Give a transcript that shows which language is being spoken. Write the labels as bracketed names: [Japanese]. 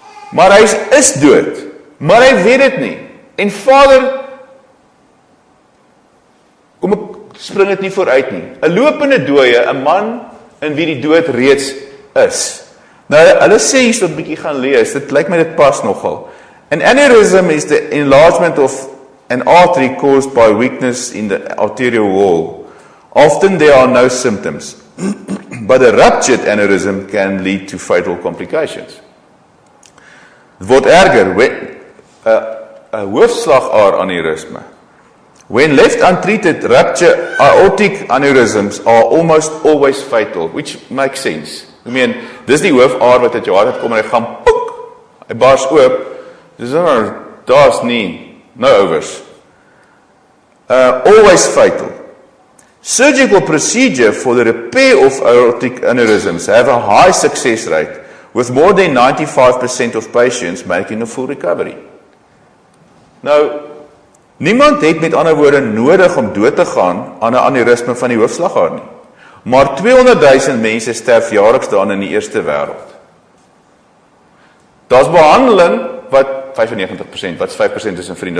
[Afrikaans] Maar hy is dood, maar hy weet dit nie. En Vader kom ek spring dit nie vooruit nie. 'N lopende dooie, 'n man in wie die dood reeds is. Nou hulle sê hier staan 'n bietjie gaan lees, dit lyk my dit pas nogal. [English] An aneurysm is the enlargement of an artery caused by weakness in the arterial wall. Often there are no symptoms, but a ruptured aneurysm can lead to fatal complications. [Afrikaans] Dit word erger, 'n hoofslagaar aneurysme. [English] When left untreated, ruptured aortic aneurysms are almost always fatal, which makes sense. I mean, [Afrikaans] dis die hoofaar wat uit jou hart kom en hy gaan poek, hy bars oop, dis nou, daar's nie, nou overs. [English] Always fatal. Surgical procedure for the repair of aortic aneurysms have a high success rate, with more than 95% of patients making a full recovery. [Afrikaans] Nou, niemand het met ander woorde nodig om dood te gaan aan 'n aneurisme van die hoofslagaar nie. Maar 200,000 mense sterf jaarliks daaraan in die eerste wêreld. Daar's behandeling wat 95%, wat 5% is in vriende.